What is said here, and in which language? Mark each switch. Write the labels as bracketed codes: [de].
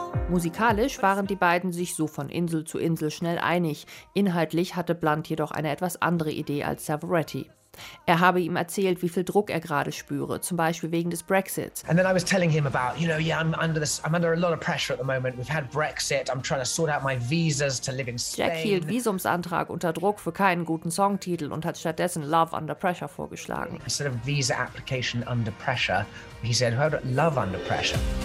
[de] Musikalisch waren die beiden sich so von Insel zu Insel schnell einig. Inhaltlich hatte Blunt jedoch eine etwas andere Idee als Savoretti. Er habe ihm erzählt, wie viel Druck er gerade spüre, zum Beispiel wegen des Brexits. [en] And then I was telling him about, you know, yeah, I'm under a lot of pressure at the moment. We've had Brexit. I'm trying to sort out my visas to live in Spain. [de] Jack hielt Visumsantrag unter Druck für keinen guten Songtitel und hat stattdessen Love Under Pressure vorgeschlagen. [en] Instead of visa application under pressure, he said, how about Love Under Pressure?